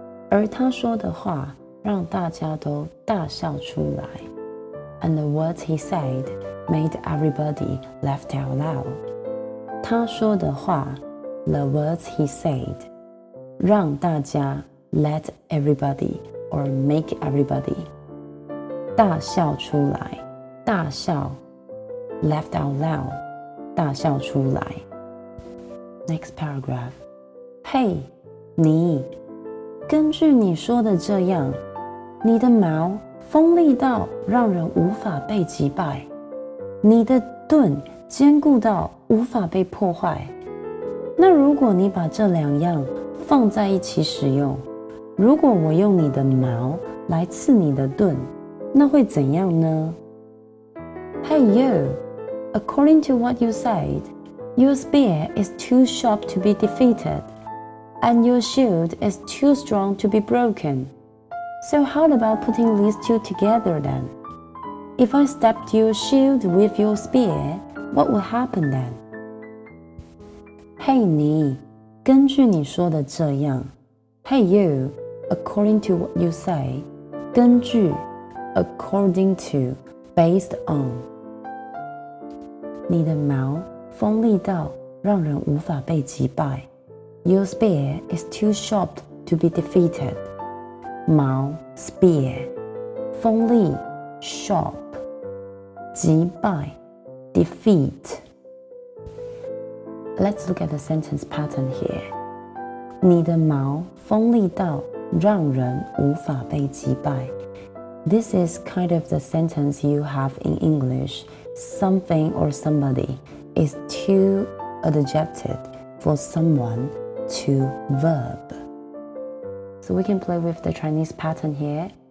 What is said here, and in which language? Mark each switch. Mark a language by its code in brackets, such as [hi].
[zh] 而他说的话让大家都大笑出来。 [en] And the words he said made everybody laugh out loud. [zh] 他说的话 [en] the words he said, [zh] 让大家 [en] let everybody or make everybody [zh] 大笑出来 [en] 大笑 laugh out loud, 大笑出来 Next paragraph. [zh] 嘿，你，根据你说的这样，你的毛锋利到让人无法被击败，你的盾坚固到无法被破坏。那如果你把这两样放在一起使用，如果我用你的矛来刺你的盾，那会怎样呢？ [en] Hey you, according to what you said, your spear is too sharp to be defeated, and your shield is too strong to be broken. So how about putting these two together then? If I stabbed your shield with your spear, what would happen then? [zh] 嘿你，根据你说的这样。 [en] Hey you, according to what you say. [zh] 根据 [en] according to, based on. [zh] 你的矛锋利到让人无法被击败。 [en] Your spear is too sharp to be defeated. 矛 spear, 锋利 sharp, 击败 defeat. Let's look at the sentence pattern here. [zh] 你的矛锋利到让人无法被击败。 [en] This is kind of the sentence you have in English. Something or somebody is too adjective for someone to verb. So we can play with the Chinese pattern here.